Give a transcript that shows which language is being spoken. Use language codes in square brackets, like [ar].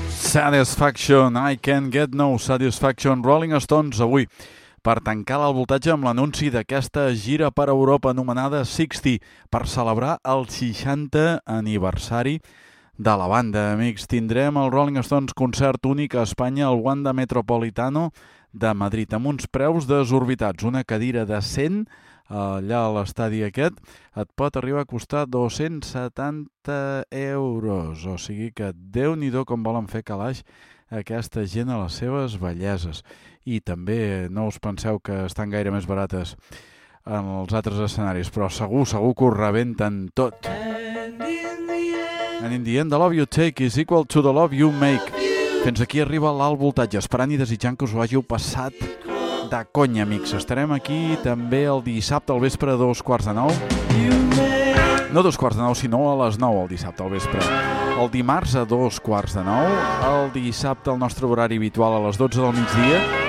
[en] Satisfaction, I can get no satisfaction. [ca] Rolling Stones avui per tancar el voltatge amb l'anunci d'aquesta gira per Europa anomenada 60 per celebrar el 60 aniversari de la banda. Amics, tindrem el Rolling Stones concert únic a Espanya al Wanda Metropolitano de Madrid amb uns preus desorbitats. Una cadira de 100 allà a l'estadi aquest et pot arribar a costar 270 euros. O sigui que déu-n'hi-do com volen fer calaix aquesta gent a les seves belleses. I també no us penseu que estan gaire més barates en els altres escenaris, però segur, segur que ho rebenten tot. [en] And in the end, the love you take is equal to the love you make. [ca] Fins aquí arriba l'alt voltatge, esperant i desitjant que us ho hàgiu passat de conya, amics. Estarem aquí també el dissabte al vespre a 8:45. No 8:45, sinó a 9:00 el dissabte al vespre. El dimarts a 8:45. El dissabte el nostre horari habitual a 12:00 PM.